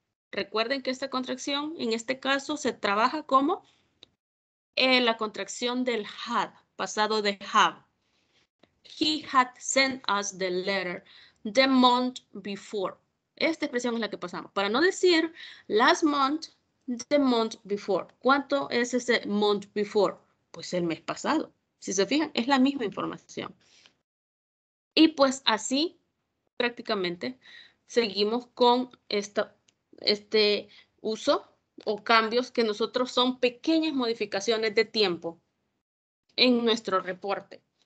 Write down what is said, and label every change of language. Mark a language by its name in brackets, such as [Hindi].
[Spanish] Recuerden que esta contracción, en este caso, se trabaja como la contracción del had, pasado de have. [English] He had sent us the letter the month before. [Spanish] Esta expresión es la que pasamos. Para no decir [English] last month, the month before. [Spanish] ¿Cuánto es ese month before? Pues el mes pasado. Si se fijan, es la misma información. Y pues así prácticamente seguimos con este uso o cambios que nosotros son pequeñas modificaciones de tiempo en nuestro reporte.